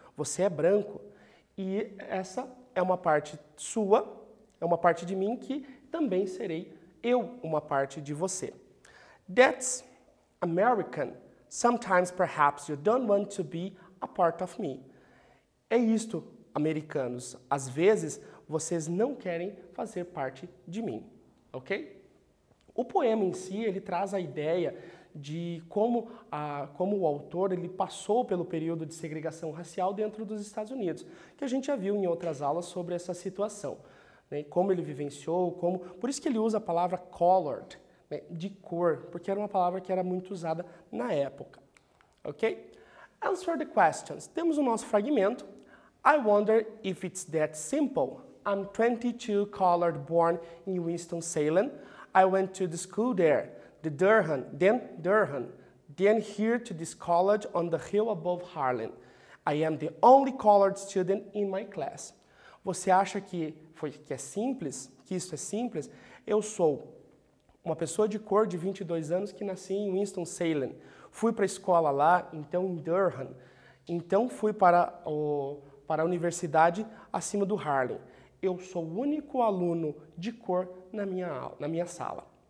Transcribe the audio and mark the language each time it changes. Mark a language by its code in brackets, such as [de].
[pt] Você é branco e essa é uma parte sua, é uma parte de mim que também serei eu, uma parte de você. [en] That's American. Sometimes, perhaps, you don't want to be a part of me. [pt] É isto, americanos. Às vezes, vocês não querem fazer parte de mim, ok? O poema em si, ele traz a ideia de como o autor ele passou pelo período de segregação racial dentro dos Estados Unidos, que a gente já viu em outras aulas sobre essa situação, né? Como ele vivenciou, como... Por isso que ele usa a palavra colored, né? De cor, porque era uma palavra que era muito usada na época. Ok? [en] Answer the questions. [pt] Temos o nosso fragmento. [en] I wonder if it's that simple. I'm 22 colored born in Winston-Salem. I went to the school there, then here to this college on the hill above Harlem. I am the only colored student in my class. [pt] Você acha que é simples? Que isso é simples? Eu sou uma pessoa de cor de 22 anos que nasci em Winston-Salem. Fui para a escola lá, então em Durham. Então fui para a universidade acima do Harlem. Eu sou o único aluno de cor na minha sala.